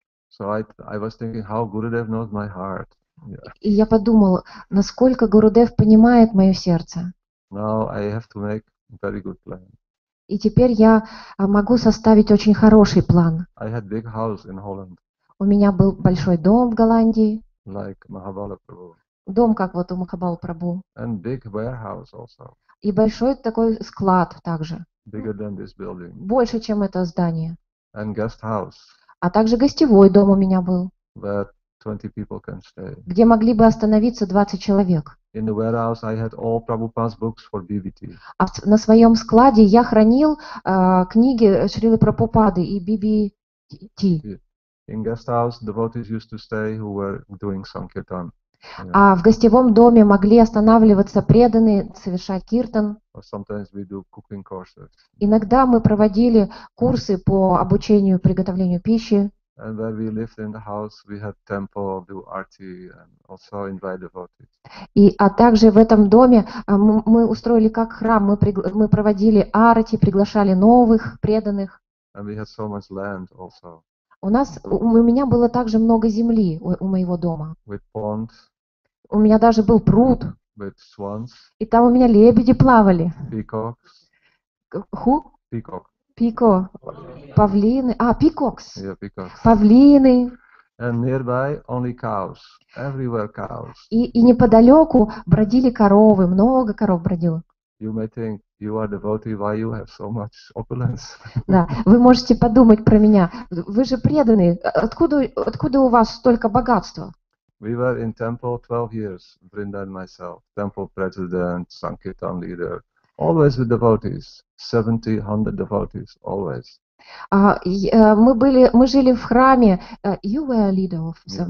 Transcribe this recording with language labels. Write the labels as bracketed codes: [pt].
[en] So I was thinking, how Gurudev knows my heart. Yeah. [ru] И я подумал, насколько Гурудев понимает мое сердце. [en] Now I have to make very good plan. [ru] И теперь я могу составить очень хороший план. [en] I had big house in Holland. [ru] У меня был большой дом в Голландии. [en] Like Mahabala Prabhu. [ru] Дом, как вот у Махабалы Прабху. [en] And big warehouse also. [ru] И большой такой склад также. [en] Bigger than this building. [ru] Больше, чем это здание. [en] And guest house. [ru] А также гостевой дом у меня был. [en] Where 20 people can stay. [ru] Где могли бы остановиться 20 человек. [en] In the warehouse I had all Prabhupada's books for BBT. [ru] А на своем складе я хранил книги Шрилы Прабхупады и BBT. [en] In guest house devotees used to stay who were doing sankirtan. [ru] А в гостевом доме могли останавливаться преданные, совершать киртан. [en] Or sometimes we do cooking courses. [ru] Иногда мы проводили курсы по обучению приготовлению пищи. [en] And where we lived in the house, we had temple, do arti, and also invite devotees. [ru] И а также в этом доме мы устроили как храм, мы проводили арти, приглашали новых преданных. [en] And we had so much land also. [ru] У меня было также много земли у моего дома. [en] With ponds. [ru] У меня даже был пруд. [en] With swans. [ru] И там у меня лебеди плавали. [en] Peacocks. Who? Peacock. [ru] Пико, павлины, пикокс, [en] yeah, peacocks. [ru] Павлины. [en] And nearby only cows. Everywhere cows. [ru] И неподалеку бродили коровы, много коров бродило. [en] You may think you are devotee, why you have so much opulence? [ru] Да, вы можете подумать про меня. Вы же преданный. Откуда у вас столько богатства? [en] We were in temple 12 years, Brinda and myself. Temple president, Sankirtan leader. Always with devotees, 70-100 devotees, always. [ru] Мы жили в храме. [en] You were a leader of some.